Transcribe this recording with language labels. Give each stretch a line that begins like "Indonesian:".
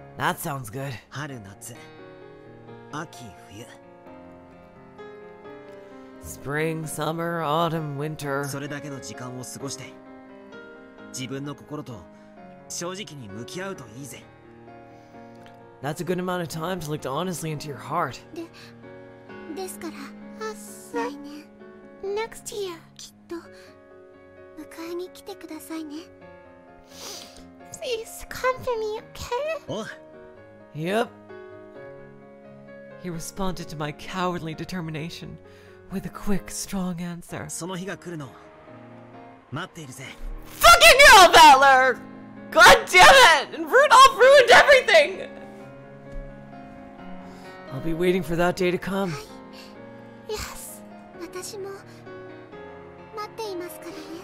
English: That sounds good.
Japanese: 春夏、秋冬。
English: Spring, summer, autumn, winter.
Japanese: それだけの時間を過ごして、自分の心と正直に向き合うといいぜ。
English: That's a good amount of time to look honestly into your heart.
Japanese: で、ですから、来年、
English: next year、
Japanese: きっと迎えに来てくださいね。
English: Please come for me, okay? Oh. Yep. He responded to my cowardly determination with a quick, strong answer.
Japanese: その日が来るの、待っているぜ。
English: Fucking hell, Valor! God damn it! And Rudolph ruined everything. I'll be waiting for that day to come. Yes.
Japanese: 私も待っていますからね。